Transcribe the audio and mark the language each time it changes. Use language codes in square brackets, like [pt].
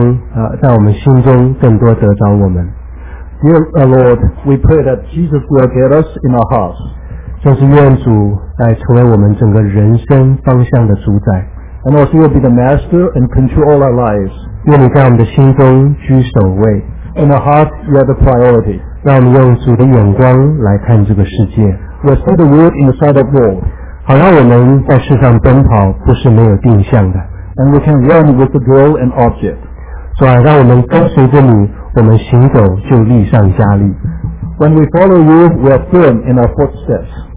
[zh] 所以我们真是祷告恳求愿你在我们当中在我们心中更多得着我们。 [en] Dear Lord, we pray that Jesus will get us in our hearts. [zh] 就是愿主来成为我们整个人生方向的主宰。 [en] And also you will be the master and control all our lives. [zh] 愿你在我们的心中居首位。 [en] In our hearts, you are the priority. [zh] 让我们用主的眼光来看这个世界。 [en] We see the world in the sight of God. [zh] 好让我们在世上奔跑不是没有定向的。 [en] And we can run with the goal and object. [zh] 主啊，让我们跟随着你。我们行走就立上加力。 [en] When we follow you, we are firm in our footsteps.